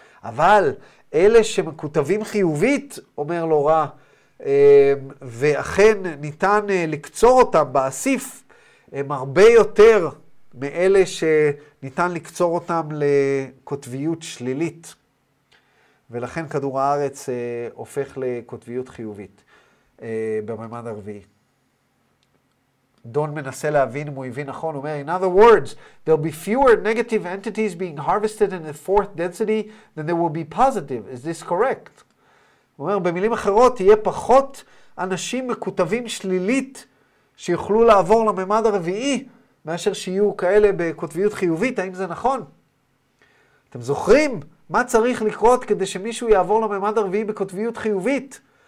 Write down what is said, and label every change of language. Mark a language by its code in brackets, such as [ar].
[he] אבל אלה שמקוטבים חיובית, אומר לו רע, ואכן ניתן לקצור אותם באסיף, הם הרבה יותר מאלה שניתן לקצור אותם לקוטביות שלילית. ולכן כדור הארץ הופך לקוטביות חיובית בממד הרביעי. דון מנסה להבין אם הוא הבין נכון. הוא אומר, [en] in other words, there'll be fewer negative entities being harvested in the fourth density than there will be positive. Is this correct? [he] הוא אומר, במילים אחרות, תהיה פחות אנשים מקוטבים שלילית שיוכלו לעבור לממד הרביעי. מאשר שיהיו כאלה בכותביות חיובית, האם זה נכון? אתם זוכרים מה צריך לקרות כדי שמישהו יעבור לממד הרביעי בכותביות חיובית?